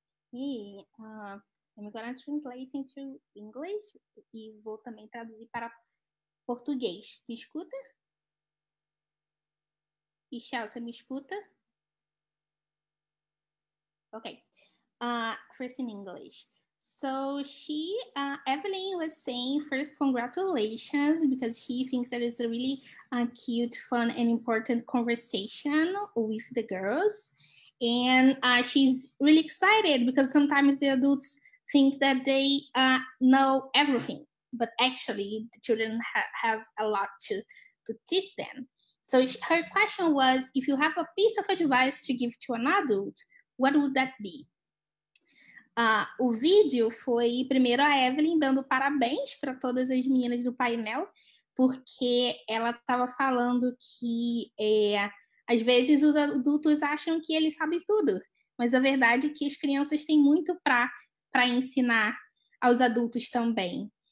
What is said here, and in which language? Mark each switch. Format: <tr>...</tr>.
<es>Sí,</es> <en>I'm going to translate into English</en> <es>y voy también a traducir para portugués.</es> <pt>¿Me escuta? Michel, você me escuta?</pt> <en>Okay. First in English. So she, Evelyn was saying first congratulations because she thinks that it's a really cute, fun, and important conversation with the girls. And she's really excited because sometimes the adults think that they know everything, but actually the children have a lot to teach them. So her question was, if you have a piece of advice to give to an adult, what would that be?</en> <pt>O vídeo foi primeiro a Evelyn dando parabéns para todas as meninas do painel, porque ela estava falando que às vezes os adultos acham que eles sabem tudo, mas a verdade é que as crianças têm muito para ensinar aos adultos também.</pt>